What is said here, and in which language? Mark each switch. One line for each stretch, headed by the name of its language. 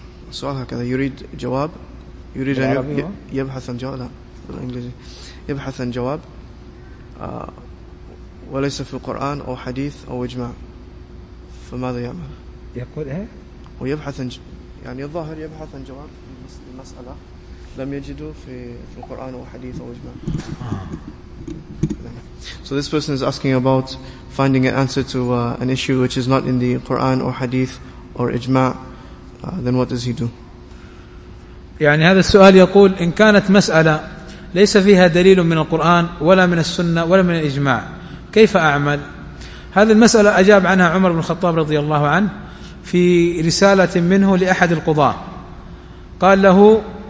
Arabic: سؤال هكذا، يريد جواب، يريد أن يبحث عن جواب، لا بالإنجليزي، يبحث عن جواب وليس في القرآن أو حديث أو إجماع، فماذا يعمل؟ يقول إيه؟ ويبحث عن يعني الظاهر يبحث عن جواب لمسألة لم يجده في القرآن أو حديث أو إجماع.
English: So this person is asking about finding an answer to an issue which is not in the Quran or Hadith or إجماع. Then what does he do?
Arabic: يعني هذا السؤال يقول إن كانت مسألة ليس فيها دليل من القرآن ولا من السنة ولا من الإجماع كيف أعمل؟ هذه المسألة أجاب عنها عمر بن الخطاب رضي الله عنه في رسالة منه لأحد القضاة، قال له